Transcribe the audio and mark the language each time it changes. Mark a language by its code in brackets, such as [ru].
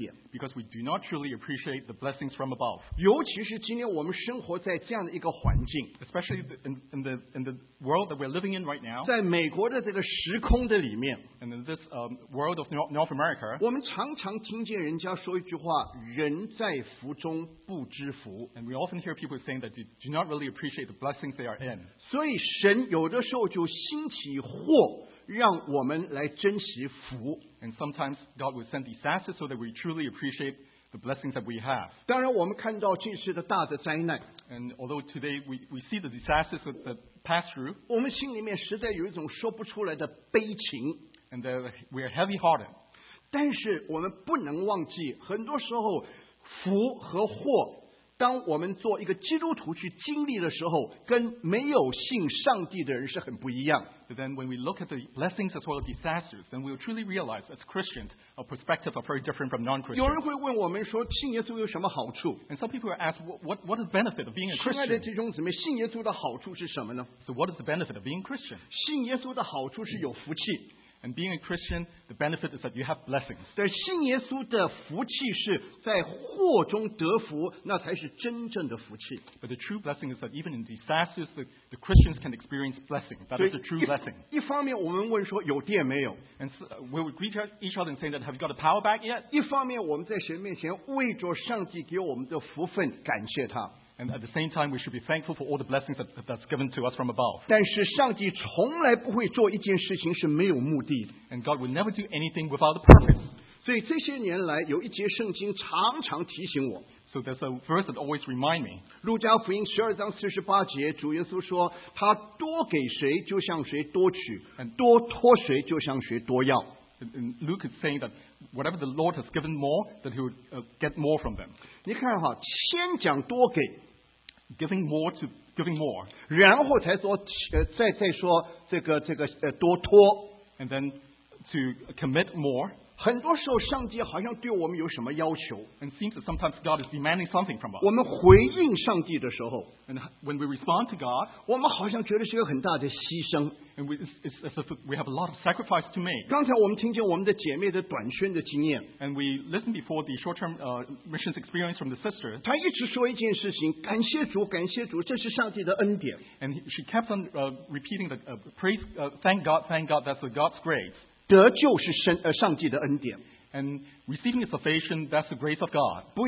[en] Because we do not truly appreciate the blessings from above. [zh] 尤其是今天我们生活在这样的一个环境, [en] especially in the world that we're living in right now. [zh] 在美国的这个时空的里面, [en] and in this world of North America. [zh] 我们常常听见人家说一句话, 人在福中不知福, [en] and we often hear people saying that they do not really appreciate the blessings they are in. [zh] 所以神有的时候就兴起祸, 让我们来珍惜福。 [en] And sometimes God will send disasters so that we truly appreciate the blessings that we have. [zh] 当然我们看到这次的大的灾难, [en] and although today we see the disasters that pass through, [zh] 我们心里面实在有一种说不出来的悲情, [en] and that we are heavy-hearted. [zh] 但是我们不能忘记, 很多时候福和祸, 当我们做一个基督徒去经历的时候,跟没有信上帝的人是很不一样。 [en] But then when we look at the blessings as well as disasters, then we will truly realize as Christians, our perspective are very different from non-Christians. [zh] 有人会问我们说,信耶稣有什么好处? [en] And some people ask, what is the benefit of being a Christian? [zh] 亲爱的弟兄姊妹,信耶稣的好处是什么呢? [en] So what is the benefit of being a Christian? [zh] 信耶稣的好处是有福气。 [en] And being a Christian, the benefit is that you have blessings. [zh] 对,信耶稣的福气是在祸中得福,那才是真正的福气。 [en] But the true blessing is that even in disasters, the Christians can experience blessing. That is the true blessing. [zh] 一方面我们问说有电没有? [en] And so, we would greet each other and say that, have you got a power back yet? [zh] 一方面我们在神面前为着上帝给我们的福分感谢他。 [en] And at the same time, we should be thankful for all the blessings that's given to us from above. [zh] 但是上帝从来不会做一件事情是没有目的的。 [en] And God would never do anything without a purpose. [zh] 所以这些年来有一节圣经常常提醒我。 [en] So there's a verse that always reminds me. [zh] 路加福音12章48节, 主耶稣说, 他多给谁就向谁多取, 多托谁就向谁多要。 [en] And Luke is saying that whatever the Lord has given more, that he would get more from them. [zh] 你看哈, 先讲多给, [en] giving more, [zh] 然后才说再说这个多托, [en] and then to commit more. [zh] 很多时候上帝好像对我们有什么要求, [en] and seems that sometimes God is demanding something from us. [zh] 我们回应上帝的时候, [en] and when we respond to God, [zh] 我们好像觉得是一个很大的牺牲, [en] and it's as if we have a lot of sacrifice to make. [zh] 刚才我们听见我们的姐妹的短宣的经验, [en] and we listened before the short-term missions experience from the sister. [zh] 她一直说一件事情, 感谢主, 感谢主, 这是上帝的恩典, [en] and she kept on repeating that praise, thank God, that's God's grace. [zh] 得救是上帝的恩典, [en] and receiving salvation, that's the grace of God.